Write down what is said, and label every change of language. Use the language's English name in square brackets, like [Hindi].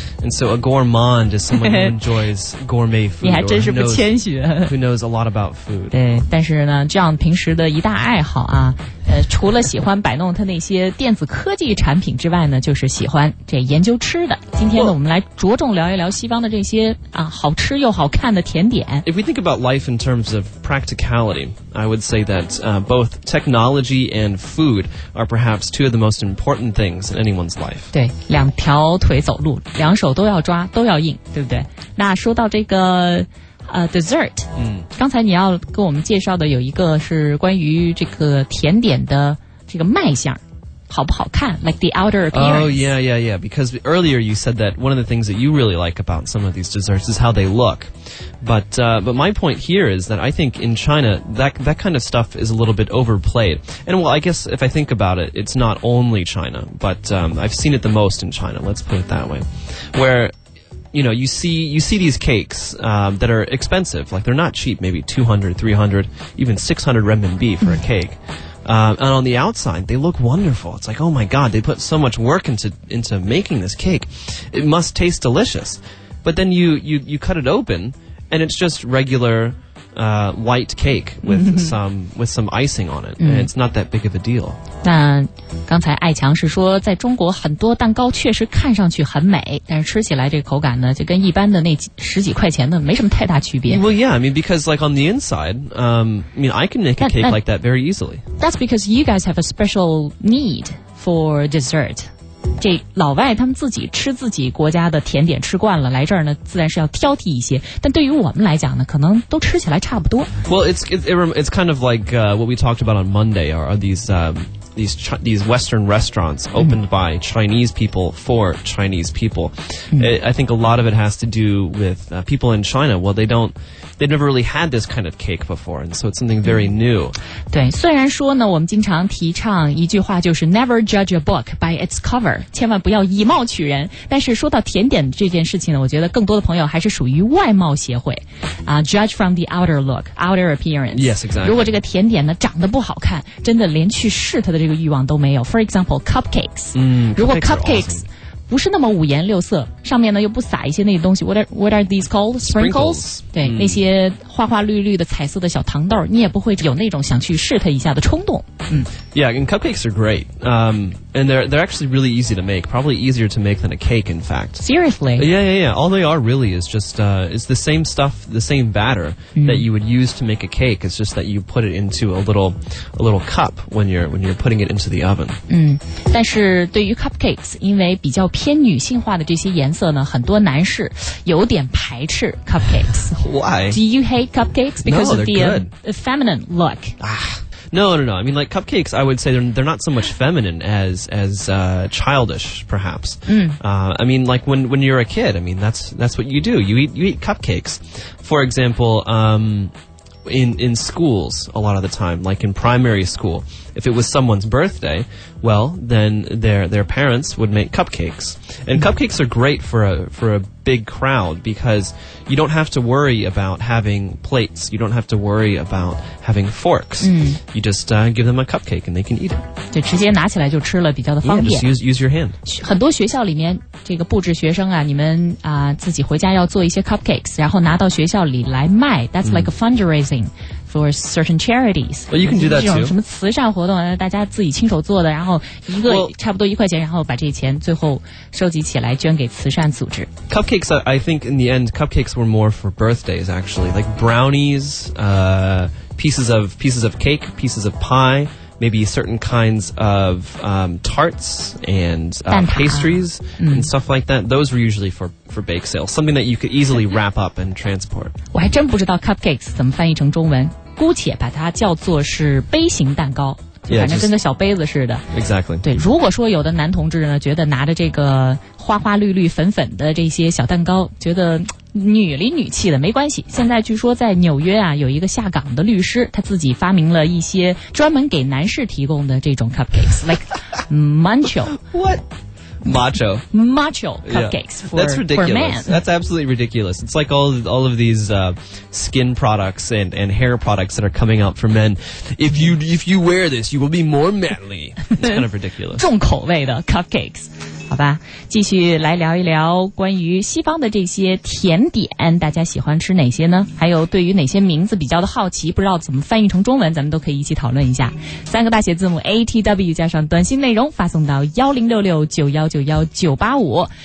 [English] And so a gourmand is someone who enjoys gourmet food. [Chinese] 你还真是不谦虚。 [English] Who knows a lot about food. [Chinese] 对，但是呢，这样平时的一大爱好啊，除了喜欢摆弄他那些电子科技产品之外呢，就是喜欢这研究吃的。今天呢， well, 我们来着重聊一聊西方的这些啊，好吃又好看的甜点。 [English] If we think about life in terms of practicality, I would say that, both technology and food are perhaps two of the most important things in anyone's life. [Chinese] 对，两条腿走路，两手都要抓，都要硬，对不对？那说到这个，dessert，嗯，刚才你要跟我们介绍的有一个是关于这个甜点的这个卖相。好不好看, [English] like the outer appearance. Oh, yeah, yeah, yeah. Because earlier you said that one of the things that you really like about some of these desserts is how they look. But my point here is that I think in China, that kind of stuff is a little bit overplayed. And well, I guess if I think about it, it's not only China, but I've seen it the most in China, let's put it that way, where, you know, you see these cakes that are expensive. Like, they're not cheap, maybe 200, 300, even 600 renminbi for a cake. And on the outside, they look wonderful. It's like, oh my God, they put so much work into making this cake. It must taste delicious. But then you cut it open, and it's just regular white cake with some icing on it. And it's not that big of a deal. [Chinese] 刚才艾强是说在中国很多蛋糕确实看上去很美，但是吃起来这个口感呢就跟一般的那十几块钱的没什么太大区别。 [English] Well, yeah, I mean, because like on the inside, I mean, I can make a cake like that very easily. That's because you guys have a special need for dessert. [Chinese] 这老外他们自己吃自己国家的甜点吃惯了，来这儿呢自然是要挑剔一些，但对于我们来讲呢可能都吃起来差不多。 [English] Well, it's kind of like what we talked about on Monday, are these Western restaurants opened by Chinese people for Chinese people. I think a lot of it has to do with people in China. Well, they've never really had this kind of cake before, and so it's something very new. [Chinese] 对，虽然说呢，我们经常提倡一句话，就是 [English] never judge a book by its cover, [Chinese] 千万不要以貌取人。但是说到甜点这件事情呢，我觉得更多的朋友还是属于外貌协会啊， [English] judge from the outer look, outer appearance. Yes, exactly. [Chinese] 如果这个甜点呢长得不好看，真的连去试它的这个欲望都没有。 [English] For example, cupcakes. [Chinese] 如果 [English] cupcakes [Chinese] 不是那么五颜六色，上面呢又不撒一些那些东西。 [English] What are these called? Sprinkles. [Chinese] 对，那些花花绿绿的彩色的小糖豆，你也不会有那种想去试它一下的冲动。 [English] Yeah, and cupcakes are great. And they're actually really easy to make. Probably easier to make than a cake, in fact. Seriously. Yeah, yeah, yeah. All they are really is just it's the same stuff, the same batter that you would use to make a cake. It's just that you put it into a little cup when you're putting it into the oven. [Chinese] 但是对于 cupcakes, 因为比较偏女性化的这些颜色呢，很多男士有点排斥 cupcakes. [English] Why? Do you hate cupcakes because no, of the feminine look? No. I mean, like cupcakes, I would say they're not so much feminine as childish, perhaps. I mean, like when you're a kid, I mean that's what you do. You eat cupcakes. For example, in schools, a lot of the time, like in primary school, if it was someone's birthday, well, then their parents would make cupcakes. And cupcakes are great for a big crowd because you don't have to worry about having plates. You don't have to worry about having forks. You just give them a cupcake and they can eat it. [Chinese] 就直接拿起来就吃了，比较的方便。 [English] Yeah, just use your hand. [Chinese] 很多学校里面这个布置学生啊，你们啊自己回家要做一些 cupcakes， 然后拿到学校里来卖。 [English] That's like a fundraising for certain charities. Well, you can do that too. [Chinese] 这种什么慈善活动，大家自己亲手做的，然后一个差不多一块钱，然后把这些钱最后收集起来捐给慈善组织。 [English] Cupcakes, I think in the end, cupcakes were more for birthdays, actually. Like brownies, pieces of cake, pieces of pie, maybe certain kinds of tarts and pastries and stuff like that. Those were usually for bake sales, something that you could easily wrap up and transport. [Chinese] 我还真不知道 cupcakes 怎么翻译成中文，姑且把它叫做是杯型蛋糕。反正跟个小杯子似的。 [English] Exactly. [Chinese] 对，如果说有的男同志呢，觉得拿着这个花花绿绿粉粉的这些小蛋糕，觉得女里女气的，没关系。现在据说在纽约啊，有一个下岗的律师，他自己发明了一些专门给男士提供的这种 cupcakes, [English] like macho. What? Macho. Macho cupcakes, yeah. That's ridiculous. For men. That's absolutely ridiculous. It's like all of these skin products and hair products that are coming out for men. If you wear this, you will be more manly. It's kind of ridiculous. [Chinese] 重口味的 cupcakes. 好吧，继续来聊一聊关于西方的这些甜点，大家喜欢吃哪些呢？还有对于哪些名字比较的好奇，不知道怎么翻译成中文，咱们都可以一起讨论一下。三个大写字母 ATW 加上短信内容发送到10669191985。